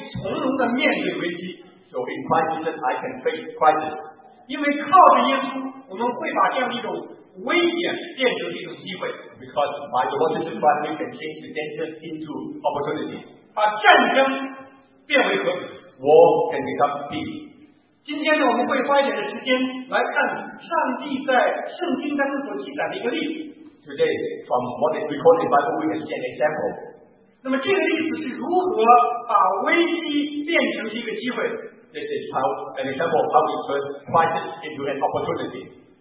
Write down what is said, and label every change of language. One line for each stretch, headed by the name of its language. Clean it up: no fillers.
Chinese: 所以说在耶稣基督的里边，我可以从容地面对危机。
English: So in Christ Jesus, I can face crisis.
Chinese: 因为靠着耶稣，我们会把这样的一种危险变成一种机会。
English: Because by the Lord Jesus Christ, we can change the danger into opportunity.
Chinese: 把战争变为和平。
English: War can become peace.
Chinese: 今天呢，我们会花一点的时间来看上帝在圣经当中所记载的一个例子。
English: Today, from what is recorded by the Bible, we can see an example.
Chinese: 那么这个例子是如何把危机变成一个机会的？
English: This is how an example of how we turn crisis into an opportunity.